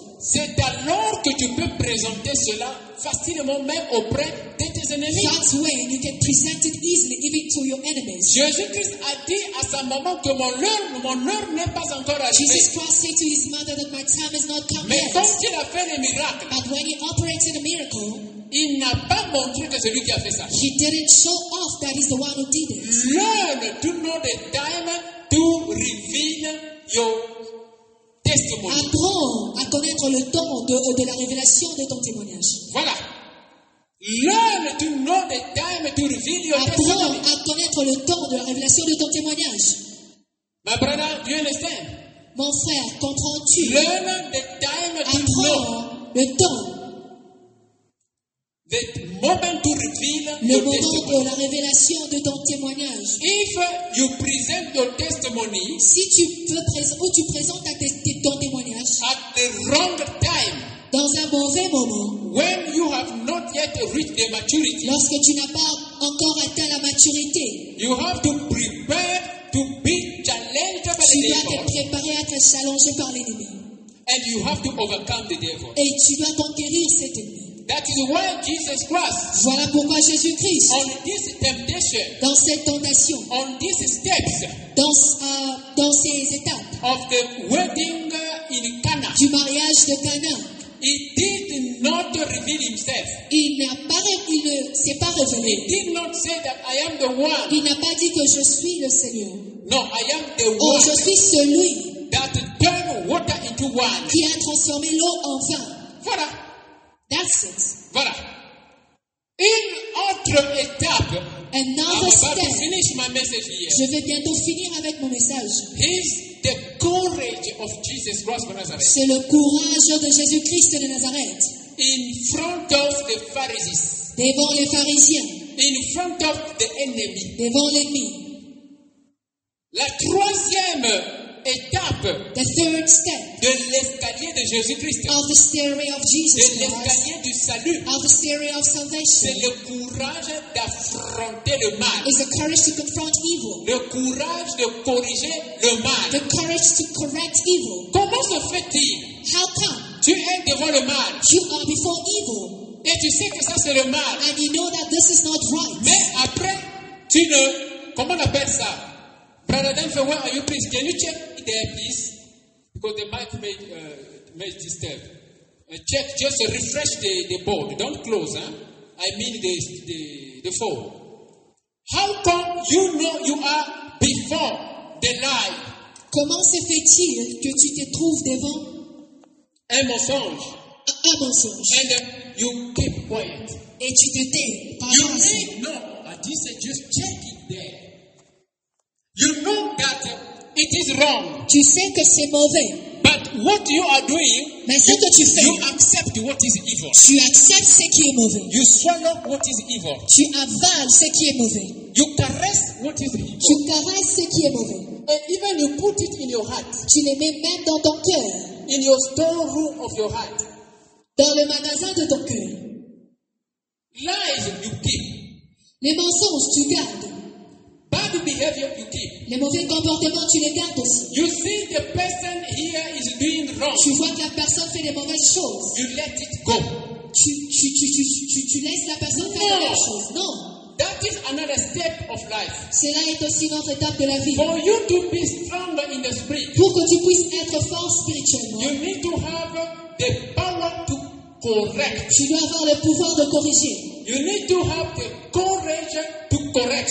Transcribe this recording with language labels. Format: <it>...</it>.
<fr>c'est alors que tu peux présenter cela facilement même auprès de tes ennemis.</fr> <en>That's when you can present it easily, give it to your enemies.</en> <fr>Jésus-Christ a dit à sa maman que mon heure n'est pas encore arrivée.</fr> <en>Jesus Christ said to his mother that my time has not come</en> <fr>mais Mais quand il a fait le miracle,</fr> <en>but when he operated a miracle,</en> <fr>il n'a pas montré que c'est lui qui a fait ça.</fr> <en>He didn't show off that he's the one who did it. Learn to know the time to reveal your testimony.</en> <fr>Apprends à connaître le temps de la révélation de ton témoignage. Voilà.</fr> <en>Learn to know the time to reveal your</en> <fr>apprends</fr> <en>testimony.</en> <fr>Apprends à connaître le temps de la révélation de ton témoignage.</fr> <en>My brother, do you understand?</en> <fr>Mon frère, comprends-tu?</fr> <en>Learn the time</en> <fr>apprends</fr> <en>to know.</en> <fr>Le temps.</fr> <en>The moment to reveal</en> <fr>le moment de la révélation de ton témoignage.</fr> <en>If you present your testimony,</en> <fr>si tu veux ou tu présentes ton témoignage</fr> <en>at the wrong time,</en> <fr>dans un mauvais moment,</fr> <en>when you have not yet reached the maturity,</en> <fr>lorsque tu n'as pas encore atteint la maturité,</fr> <en>you have to prepare to be challenged by</en> <fr>tu dois être préparé à être challengé par l'ennemi.</fr> <en>And you have to overcome the devil.</en> <fr>Et tu dois conquérir cet ennemi.</fr> <en>That is why Jesus Christ,</en> <fr>voilà pourquoi Jésus Christ,</fr> <en>on this temptation,</en> <fr>dans cette tentation,</fr> <en>on this steps,</en> <fr>dans ces étapes,</fr> <en>of the wedding in Cana,</en> <fr>du mariage de Cana,</fr> <en>he did not reveal himself.</en> <fr>Il ne s'est pas révélé.</fr> <en>He did not say that I am the one.</en> <fr>Il n'a pas dit que je suis le Seigneur.</fr> <en>No, I am the oh, one.</en> <fr>Je suis celui</fr> <en>that turned water into wine.</en> <fr>Qui a transformé l'eau en vin. Voilà.</fr> <en>That's it.</en> <fr>Voilà. Une autre étape.</fr> <en>Another I'm about step. To finish my message here.</en> <fr>Je vais bientôt finir avec mon message.</fr> <en>Is the courage of Jesus Christ of Nazareth.</en> <fr>C'est le courage de Jésus-Christ de Nazareth.</fr> <en>In front of the Pharisees.</en> <fr>Devant les pharisiens.</fr> <en>In front of the enemy.</en> <fr>Devant l'ennemi. La troisième étape,</fr> <en>the third step,</en> <fr>de l'escalier de Jésus-Christ,</fr> <en>of the stairway of Jesus,</en> <fr>de l'escalier du salut,</fr> <en>of the stairway of salvation,</en> <fr>c'est le courage d'affronter le mal,</fr> <en>is the courage to confront evil,</en> <fr>le courage de corriger le mal,</fr> <en>the courage to correct evil.</en> <fr>Comment se fait-il?</fr> <en>How come?</en> <fr>Tu es devant le mal,</fr> <en>you are before evil,</en> <fr>et tu sais que ça c'est le mal,</fr> <en>and you know that this is not right.</en> <fr>Mais après, tu ne, comment on appelle ça?</fr> <en>Brother Denver, where are you, please? Can you check there, please? Because the mic may disturb. Check, just refresh the board. Don't close, huh? I mean the phone. How come you know you are before the lie?</en> <fr>Comment se fait-il que tu te trouves devant un mensonge? Un mensonge.</fr> <en>And you keep quiet.</en> <fr>Et tu te tais.</fr> <en>Par you may know, but this is just checking there. You know that it is wrong.</en> <fr>Tu sais que c'est mauvais.</fr> <en>But what you are doing,</en> <fr>mais ce que tu fais,</fr> <en>you accept what is evil.</en> <fr>Tu acceptes ce qui est mauvais.</fr> <en>You swallow what is evil.</en> <fr>Tu avales ce qui est mauvais.</fr> <en>You caress what is evil.</en> <fr>Tu caresses ce qui est mauvais.</fr> <en>And even you put it in your heart.</en> <fr>Tu le mets même dans ton cœur.</fr> <en>In your storeroom of your heart.</en> <fr>Dans le magasin de ton cœur.</fr> <en>Lies you keep.</en> <fr>Les mensonges tu gardes.</fr> <en>Bad behavior you keep.</en> <fr>Les mauvais comportements tu les gardes aussi.</fr> <en>You see the person here is doing wrong.</en> <fr>Tu vois que la personne fait des mauvaises choses.</fr> <en>You let it go.</en> <fr>Tu laisses la personne faire des mauvaises choses. Non.</fr> <en>That is another step of life.</en> <fr>Cela est aussi une autre étape de la vie.</fr> <en>For you to be strong in the spirit.</en> <fr>Pour que tu puisses être fort spirituellement.</fr> <en>You need to have the power to correct.</en> <fr>Tu dois avoir le pouvoir de corriger.</fr> <en>You need to have the courage to correct.</en>